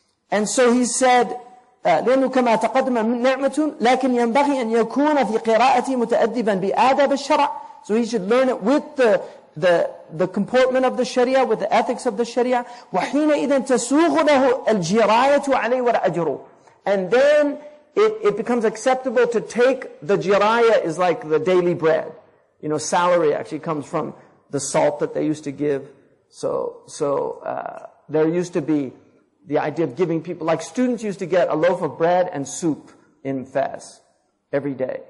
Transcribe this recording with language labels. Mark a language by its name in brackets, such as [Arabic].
[English] And so he said, [Arabic] لأنه كما تقدم نعمة لكن ينبغي أن يكون في قراءتي متأدبا بآداب الشرع. [English] So he should learn it with the comportment of the Sharia, with the ethics of the Sharia. [Arabic] وحينئذ تسوغ له الجراية عليه والأجر. [English] And then it becomes acceptable to take the jiraya, is like the daily bread. You know, salary actually comes from the salt that they used to give. So there used to be the idea of giving people, like students used to get a loaf of bread and soup in Fez every day.